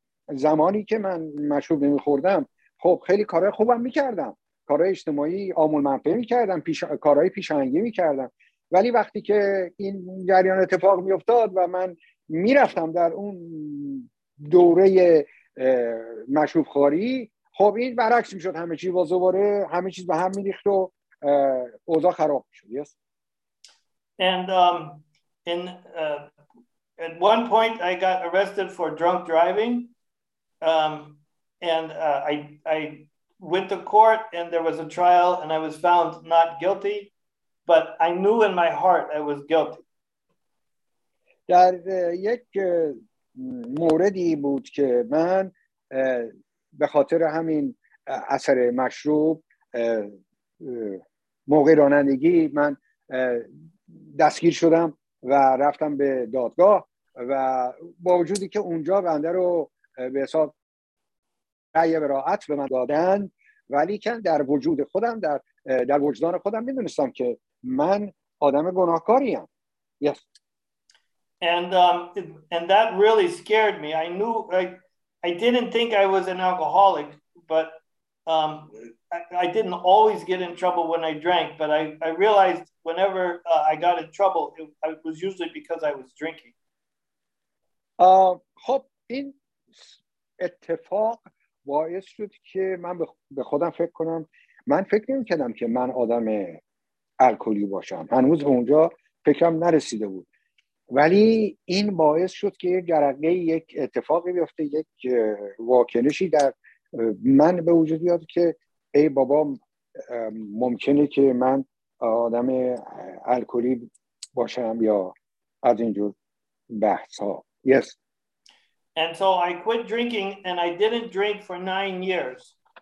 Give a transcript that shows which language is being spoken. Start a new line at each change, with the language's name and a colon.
Persian: زمانی که من مشروب نمیخوردم خب خیلی کارهای خوبم میکردم، کارهای اجتماعی عامل منفعه میکردم، کارهای پیشنگی میکردم، ولی وقتی که این جریان اتفاق میفتاد و من میرفتم در اون دوره مشروب خواری خب این برعکس میشد، همه چیز باز دوباره همه چیز به هم میریخت و اوضاع خراب میشد.
English: Yes. And at one point I got arrested for drunk driving. And I went to court and there was a trial and I was found not guilty, but I knew in my heart I was guilty.
Persian: در یک موردی بود که من به خاطر همین اثر مشروب موقع رانندگی من دستگیر شدم و رفتم به دادگاه و با وجودی که اونجا بنده رو به حساب رأی براءت به من دادن، ولی که در وجود خودم، در وجدان خودم میدونستم که من آدم گناهکاریم.
English: Yes. And that really scared me. I knew I didn't think I was an alcoholic, but I didn't always get in trouble when I drank. But I realized whenever I got in trouble, it was usually because I was drinking.
Persian: خب این اتفاق باعث شد که من به خودم فکر کنم. من فکر نمی کردم که من آدم الکلی باشم. هنوز به اونجا فکرم نرسیده بود. ولی این باعث شد که یک جرقه، یک اتفاقی بیفته، یک واکنشی در من به وجود بیاد که ای بابا، ممکنه که من آدم الکلی باشم یا از اینجور بحث ها.
English: Yes. And so I quit drinking and I didn't drink for 9 years.